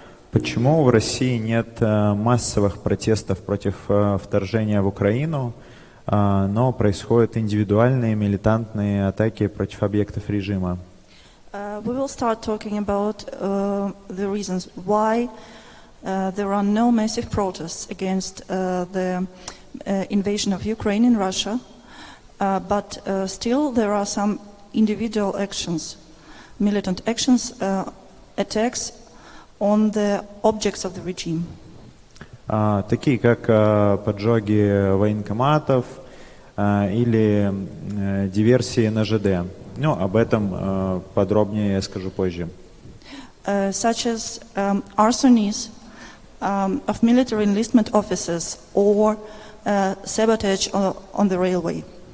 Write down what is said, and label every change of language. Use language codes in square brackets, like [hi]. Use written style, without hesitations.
[ru] Почему в России нет массовых протестов против вторжения в Украину, но происходят индивидуальные милитантные атаки против объектов режима? [en] We will start talking about the reasons why there are no massive protests against the invasion of Ukraine in Russia. But still there are some individual actions, militant actions, attacks on the objects of the regime. [ru] Такие как поджоги военкоматов или диверсии на ЖД. Ну, об этом подробнее я скажу позже. [en] Such as arsonies of military enlistment offices or sabotage on the railway.